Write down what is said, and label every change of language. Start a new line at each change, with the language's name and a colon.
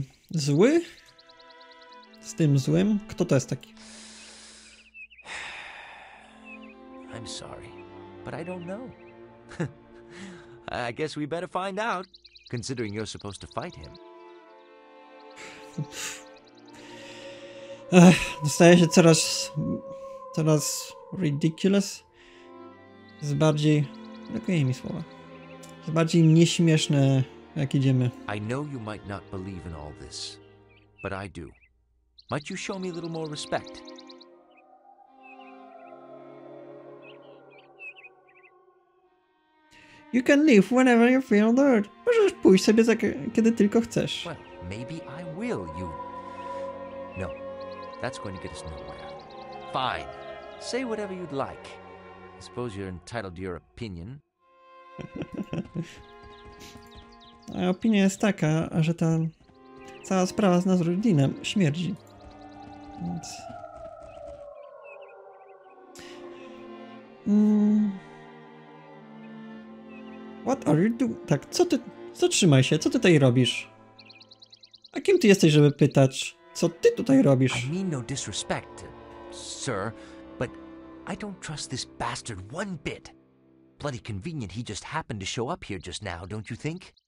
Polish: Zły? z tym złym? Kto to jest taki?
English: I'm sorry, but I don't know. I guess we better find out, considering you're supposed to fight him.
Polish: Staje się coraz
English: ridiculous.
Polish: Z bardziej, brakuje mi słowa. Z bardziej nieśmieszne, jak idziemy.
English: I know you might not believe in all this, but I do. Might you show me a little more respect? You can leave whenever you feel the urge.
Polish: Możesz pójść sobie kiedy tylko chcesz.
English: Well, maybe I will, you... No, that's going to get us nowhere. Fine, say whatever you'd like. I suppose you're entitled to your opinion.
Polish: A opinia jest taka, że ta cała sprawa z Nasruddinem śmierdzi. Więc...
English: What are you doing?
Polish: Tak, co ty... Zatrzymaj się, co ty tutaj robisz? A kim ty jesteś, żeby pytać? Co ty tutaj robisz?
English: I mean no disrespect, sir, but I don't trust this bastard one bit. Bloody convenient he just happened to show up here just now, don't you think?